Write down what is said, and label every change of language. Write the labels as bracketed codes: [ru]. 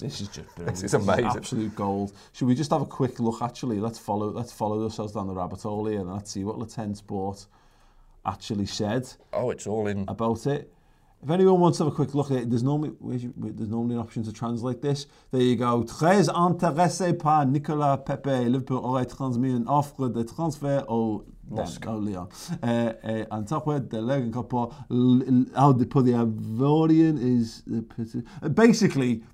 [en] This is just brilliant. This is amazing. This is absolute gold. Should we just have a quick look, actually? Let's follow ourselves down the rabbit hole here and let's see what Le Temps Sport actually said. Oh, it's all in. About it. If anyone wants to have a quick look at it, there's normally an option to translate this. There you go. [fr] Très intéressé par Nicolas Pepe. Liverpool aurait transmis une offre de transfert au Moscow Lyon. [en] On top of the Logan Copper, how to put the Avorian is basically.